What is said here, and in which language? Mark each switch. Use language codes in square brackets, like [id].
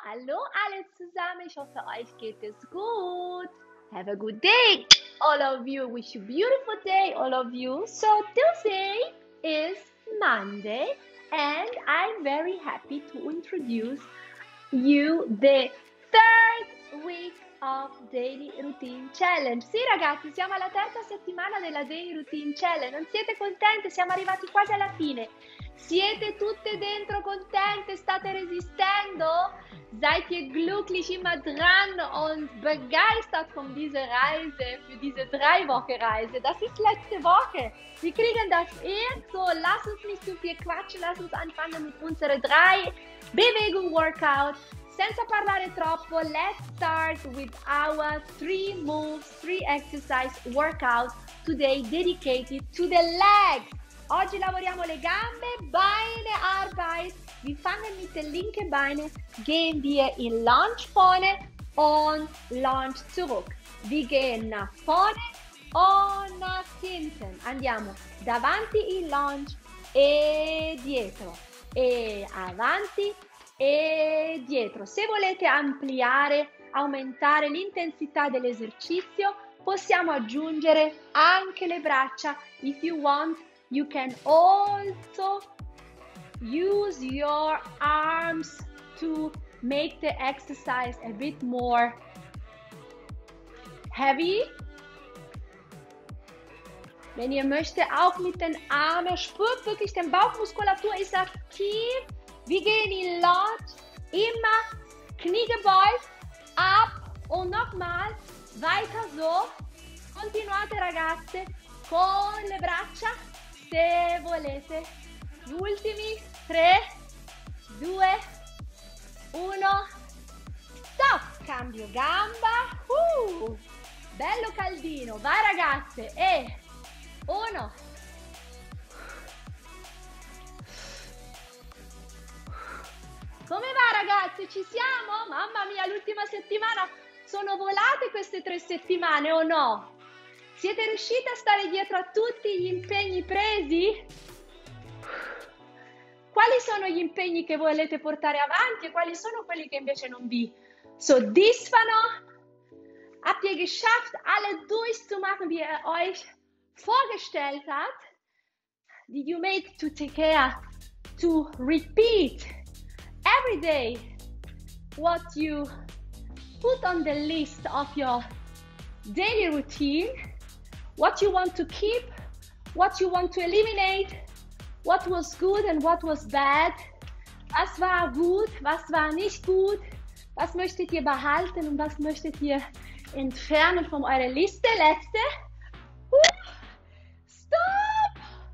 [de] Hallo, alles zusammen. Ich hoffe, euch geht es gut. [en] Have a good day, all of you. Wish you a beautiful day, all of you. So, today is Monday, and I'm very happy to introduce you the third week of Daily Routine Challenge. [it] Sì, ragazzi, siamo alla terza settimana della Daily Routine Challenge. Non siete contenti? Siamo arrivati quasi alla fine. Siete tutte dentro contente? State resistendo? [de] Seid ihr glücklich immer dran und begeistert von dieser Reise, für diese 3 Wochen Reise? Das ist letzte Woche. Wir kriegen das eh. So, lass uns nicht zu viel quatschen. Lass uns anfangen mit unseren 3 Bewegung-Workout. [it] Senza parlare troppo, [en] let's start with our 3 moves, 3 exercise workout today dedicated to the legs. [it] Oggi lavoriamo le gambe, [de] beine, arbeit. Wir fangen mit den linken Beinen, gehen wir in Lunge vorne und Lunge zurück. Wir gehen nach vorne und nach hinten. [it] Andiamo davanti in Lunge e dietro e avanti e dietro. Se volete ampliare, aumentare l'intensità dell'esercizio, possiamo aggiungere anche le braccia. [en] If you want, you can also use your arms to make the exercise a bit more heavy. [de] Wenn ihr möchtet, auch mit den Armen, spürt wirklich, den Bauchmuskulatur ist aktiv. Wir gehen in Lunge, immer Knie gebeugt, ab und nochmal, weiter so. [it] Continuate, ragazze, con le braccia. Se volete, gli ultimi 3, 2, 1, stop! Cambio gamba, bello caldino, vai ragazze, e 1, 2. Come va ragazze, ci siamo? Mamma mia, l'ultima settimana, sono volate queste 3 settimane o no? Siete riusciti a stare dietro a tutti gli impegni presi? Quali sono gli impegni che volete portare avanti e quali sono quelli che invece non vi soddisfano? [de] Habt ihr geschafft, alle durchzumachen, wie ihr euch vorgestellt habt? [en] Did you make to take care to repeat every day what you put on the list of your daily routine? What you want to keep, what you want to eliminate, what was good and what was bad, [de] was war gut, was war nicht gut, was möchtet ihr behalten und was möchtet ihr entfernen von eurer Liste, letzte. Stop!